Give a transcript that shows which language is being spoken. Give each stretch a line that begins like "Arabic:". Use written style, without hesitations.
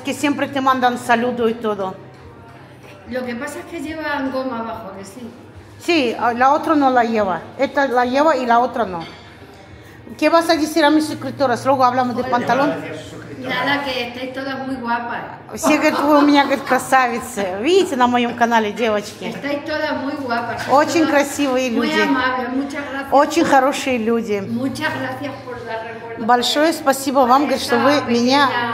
Spanish: Que siempre te mandan saludos y todo. Lo que pasa es que llevan goma abajo, que sí. Sí, la otra no la lleva. Esta la lleva y la otra no. ¿Qué vas a decir a mis escritores? Luego hablamos. Hola. De pantalón. Nada, que estáis todas muy guapas.
Russian: Все, говорит, вы у меня, говорит, красавицы. Видите на моем канале, девочки?
Spanish: Estáis todas muy guapas.
Russian: Очень красивые люди.
Spanish: Muy amable, muchas gracias.
Russian: Очень хорошие люди.
Spanish: Muchas gracias por la recuerda.
Russian: Большое спасибо вам, говорит, что вы меня...